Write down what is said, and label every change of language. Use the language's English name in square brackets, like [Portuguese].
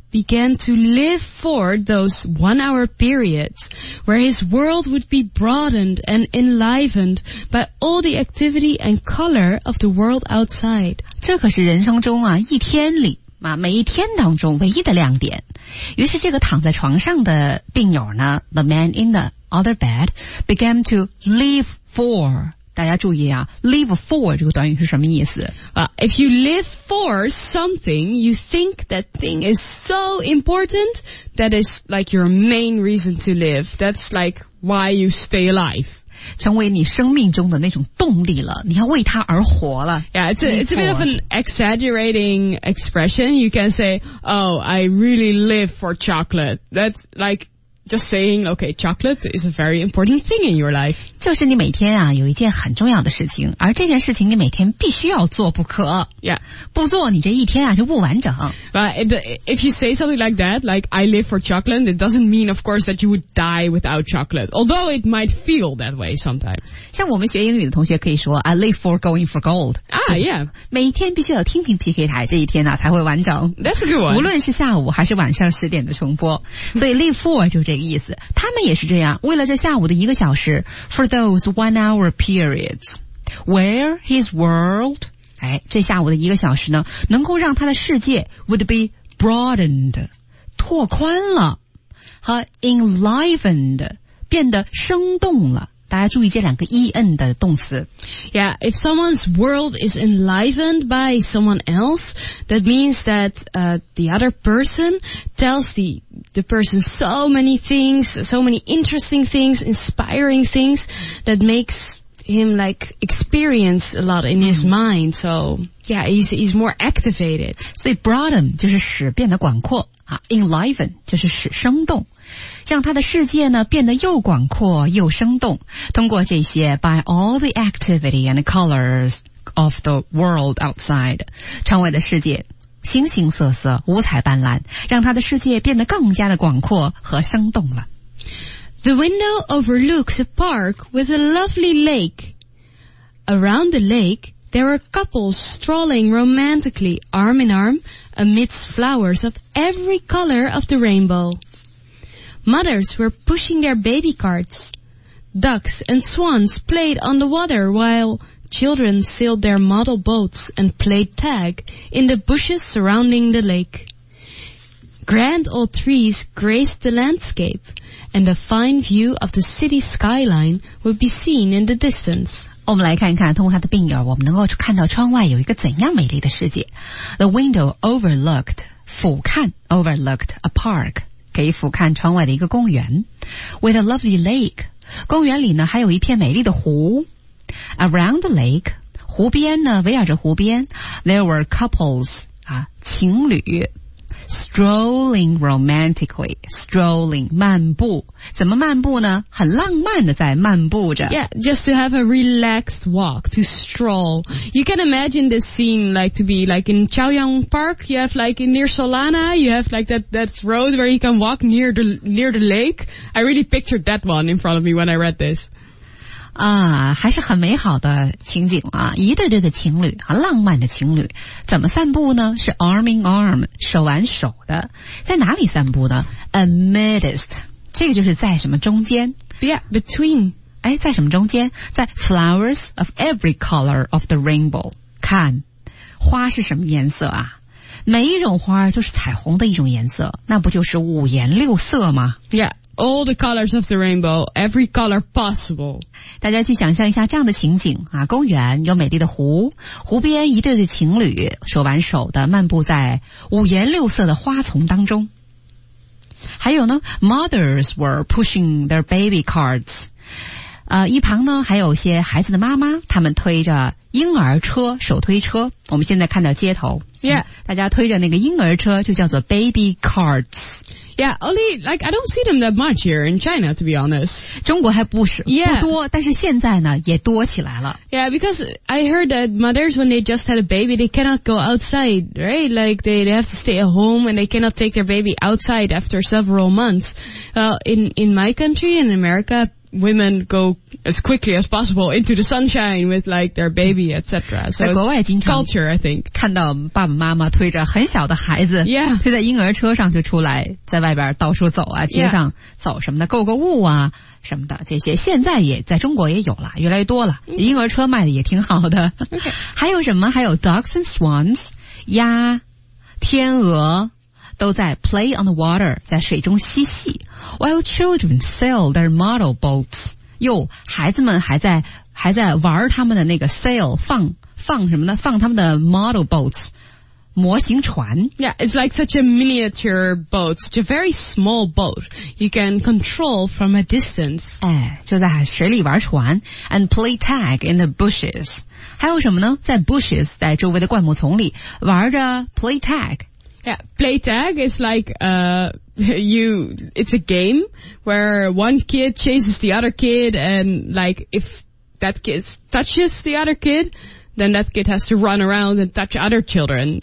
[English] began to live for those one-hour periods where his world would be broadened and enlivened by all the activity and color of the world outside. [Chinese] 这可是人生中啊，一天里啊，每一天当中唯一的亮点。于是这个躺在床上的病友呢 [English] ，the man in the other bed began to live for. [Chinese] 大家注意啊 , [English] live for [Chinese] 这个短语是什么意思、 [English] If you live for something, you think that thing is so important, that is like your main reason to live. That's like why you stay alive. [Chinese] 成为你生命中的那种动力了，你要为它而活了。 [English] Yeah, it's a bit of an exaggerating expression. You can say, oh, I really live for chocolate. That's like... Just saying, okay, chocolate is a very important thing in your life. [Chinese] 就是你每天啊有一件很重要的事情，而这件事情你每天必须要做不可。 [English] Yeah. [Chinese] 不做你这一天啊就不完整。 [English] But if you say something like that, like I live for chocolate, it doesn't mean of course that you would die without chocolate. Although it might feel that way sometimes. [Chinese] 像我们学英语的同学可以说 [English] I live for going for gold. Ah, yeah. [Chinese] 每天必须要听听 PK 台这一天啊才会完整。 [English] That's a good one. [Chinese] 无论是下午还是晚上十点的重播。所以 live for 就这个意思，他们也是这样，为了这下午的一个小时 ， [English] for those 1 hour periods where his world， [Chinese] 哎，这下午的一个小时呢，能够让他的世界 [English] would be broadened， [Chinese] 拓宽了，和 enlivened 变得生动了。大家注意这两个 en 的动词。 [English] Yeah, if someone's world is enlivened by someone else, that means that, the other person tells the person so many things, so many interesting things, inspiring things that makes him like experience a lot in his mind. So, yeah, he's more activated. [Chinese] 所以 broaden 就是使变得广阔。 [English] Enliven [Chinese] 就是使生动，让他的世界呢变得又广阔又生动。通过这些 [English] by all the activity and colors of the world outside， [Chinese] 窗外的世界形形色色，五彩斑斓，让他的世界变得更加的广阔和生动了。 [English] The window overlooks a park with a lovely lake. Around the lake. There are couples strolling romantically, arm in arm, amidst flowers of every color of the rainbow. Mothers were pushing their baby carts. Ducks and swans played on the water while children sailed their model boats and played tag in the bushes surrounding the lake. Grand old trees graced the landscape, and a fine view of the city skyline would be seen in the distance. [Chinese] 我们来看看通过他的病友我们能够看到窗外有一个怎样美丽的世界。 [English] The window overlooked, [Chinese] 俯瞰 [English] overlooked a park, [Chinese] 可以俯瞰窗外的一个公园。 [English] With a lovely lake, [Chinese] 公园里呢还有一片美丽的湖。 [English] Around the lake, [Chinese] 湖边呢围绕着湖边 , [English] there were couples, [Chinese] 情侣。 [English] Strolling romantically, strolling, [Chinese] 漫步。怎么漫步呢？很浪漫的在漫步着。 [English] Yeah, just to have a relaxed walk, to stroll. You can imagine this scene like to be like in Chaoyang Park, you have like near Solana, you have like that road where you can walk near the lake. I really pictured that one in front of me when I read this. [Chinese] 还是很美好的情景啊，一对对的情侣啊，浪漫的情侣，怎么散步呢？是 [English] arm in arm， [Chinese] 手挽手的，在哪里散步呢 ？ [English] Amidst， [Chinese] 这个就是在什么中间 [English] ？Yeah， between， [Chinese] 哎，在什么中间？ [English] 在 flowers of every color of the rainbow， [Chinese] 看花是什么颜色啊？每一种花都是彩虹的一种颜色，那不就是五颜六色吗 [English] ？Yeah， all the colors of the rainbow, every color possible. [Chinese] 大家去想象一下这样的情景啊，公园有美丽的湖，湖边一对对情侣手挽手的漫步在五颜六色的花丛当中。还有呢 [English] ,mothers were pushing their baby carts. [Chinese] 一旁呢还有些孩子的妈妈，他们推着婴儿车，手推车，我们现在看到街头。 [English] Yeah. [Chinese] 大家推着那个婴儿车就叫做 baby carts。 [English] Yeah, only, like, I don't see them that much here in China, to be honest. [Chinese] 中国还不是、 [English] yeah. [Chinese] 不多，但是现在呢也多起来了。 [English] Yeah, because I heard that mothers, when they just had a baby, they cannot go outside, right? Like, they have to stay at home and they cannot take their baby outside after several months. Well, in my country, in America, women go as quickly as possible into the sunshine with, like, their baby, etc. So, [Chinese] 在国外经常 [English] culture, I think. [Chinese] 看到爸爸妈妈推着很小的孩子、 [English] yeah. [Chinese] 推在婴儿车上就出来在外边到处走啊街上走什么的、 [English] yeah. [Chinese] 购个物啊什么的这些现在也在中国也有了越来越多了、 [English] okay. [Chinese] 婴儿车卖的也挺好的、 [English] okay. [Chinese] 还有什么还有 [English] ducks and swans, [Chinese] 鸭天鹅都在 [English] play on the water, [Chinese] 在水中嬉戏 [English] while children sail their model boats. [Chinese] 又孩子们还在玩他们的那个 sail, 放什么呢放他们的 [English] model boats, [Chinese] 模型船。 [English] Yeah, it's like such a miniature boat, it's a very small boat. You can control from a distance. [Chinese] 哎就在水里玩船 [English] and play tag in the bushes. [Chinese] 还有什么呢在 bushes, 在周围的灌木丛里玩着 [English] play tag, Yeah, play tag is like, it's a game where one kid chases the other kid and like if that kid touches the other kid, then that kid has to run around and touch other children.